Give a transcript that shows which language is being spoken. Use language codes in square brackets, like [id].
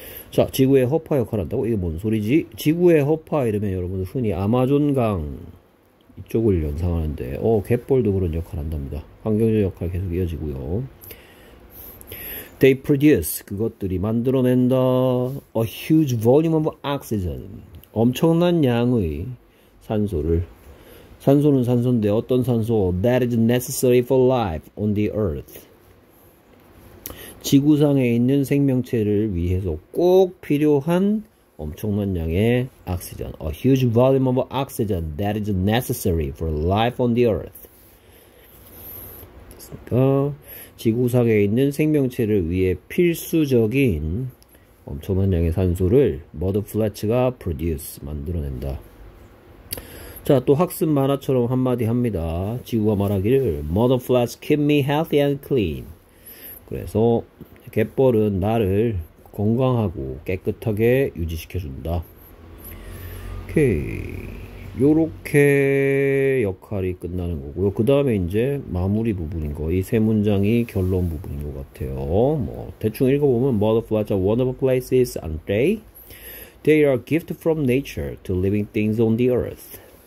[ko] 자, 지구의 허파 역할한다고? 이게 뭔 소리지? 지구의 허파 이러면 여러분 흔히 아마존강 이쪽을 연상하는데, 갯벌도 그런 역할한답니다. 환경적 역할 계속 이어지고요. [en] They produce. [ko] 그것들이 만들어낸다. [en] A huge volume of oxygen. [ko] 엄청난 양의 산소를. 산소는 산소인데 어떤 산소? [en] That is necessary for life on the earth. [ko] 지구상에 있는 생명체를 위해서 꼭 필요한 엄청난 양의 옥시전. [en] A huge volume of oxygen that is necessary for life on the earth. [ko] 그러니까 지구상에 있는 생명체를 위해 필수적인 엄청난 양의 산소를 머드 플래츠가 produce, 만들어낸다. 자, 또 학습 만화처럼 한마디 합니다. 지구가 말하기를, [en] 머드 플래츠 keep me healthy and clean. [ko] 그래서 갯벌은 나를 건강하고 깨끗하게 유지시켜준다. 오케이. 요렇게 역할이 끝나는 거고요. 그 다음에 이제 마무리 부분인 거. 이세 문장이 결론 부분인 것 같아요. 뭐 대충 읽어보면 [en] Mud flats are wonderful places, aren't they? They are a gift from nature to living things on the earth.